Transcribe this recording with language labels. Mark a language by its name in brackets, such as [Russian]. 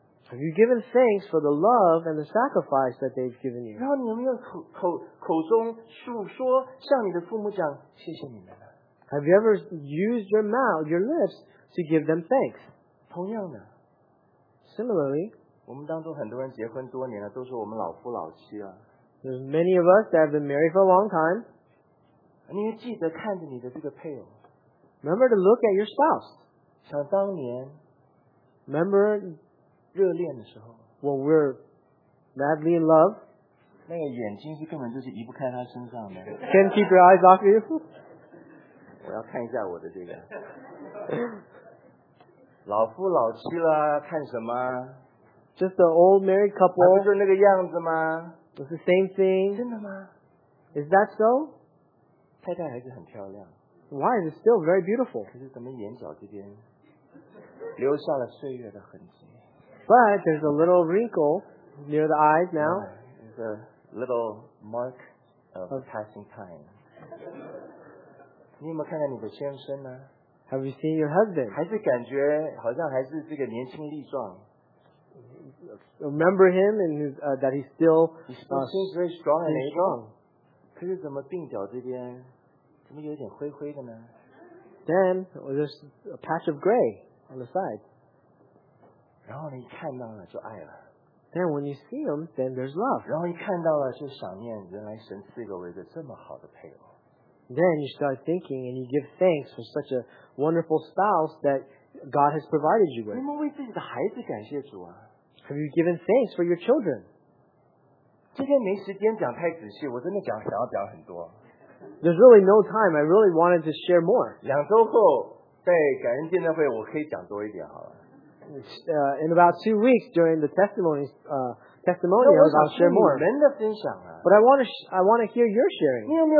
[English] Have you given thanks for the love and the sacrifice that they've given you? [Chinese] 然后你有没有口中述说向你的父母讲, 谢谢你们呢? [English] Have you ever used your mouth, your lips, to give them thanks? [Chinese] 同样的, [English] similarly, [Chinese] 我们当中很多人结婚多年了, 都说我们老夫老妻了, [English] there's many of us that have been married for a long time. [Chinese] 你还记得看着你的这个配偶, [English] remember to look at your spouse. [Chinese] 想当年, [English] remember, [Chinese] 热恋的时候, [English] when we're madly in love, [Chinese] 那个眼睛是根本就是移不开他身上的, [English] can't keep your eyes off you. [Chinese] 我要看一下我的这个, 老夫老妻了, 看什么? [English] Just an old married couple. [Chinese] 还不是那个样子吗? [English] It's the same thing. [Chinese] 真的吗? [English] Is that so? [Chinese] 太太还是很漂亮, [English] why is it still very beautiful? [Chinese] 可是怎么眼角这边, 留下了岁月的痕迹, [English] but there's a little wrinkle near the eyes now. Yeah, it's a little mark of passing time. [Chinese] 你有没有看看你的先生呢? [English] Have you seen your husband? [Chinese] 还是感觉好像还是这个年轻力壮? [English] Remember him and his, that he's still seems very strong and strong. [Chinese] 可是怎么鬓角这边怎么有点灰灰的呢? [English] Then well, there's a patch of gray on the side. [Chinese] 然后你看到了就爱了, [English] then when you see him, then there's love. [Chinese] 然后一看到了就想念原来神赐给我一个这么好的配偶, [English] then you start thinking and you give thanks for such a wonderful spouse that God has provided you with. [Chinese] 你们为自己的孩子感谢主啊? [English] Have you given thanks for your children? [Chinese] 今天没时间讲太仔细, 我真的想要讲很多, [English] there's really no time. I really wanted to share more. [Chinese] 两周后在感恩见证会, 我可以讲多一点好了。 [English] In about 2 weeks during the testimonials, I'll share more. But I want to hear your sharing.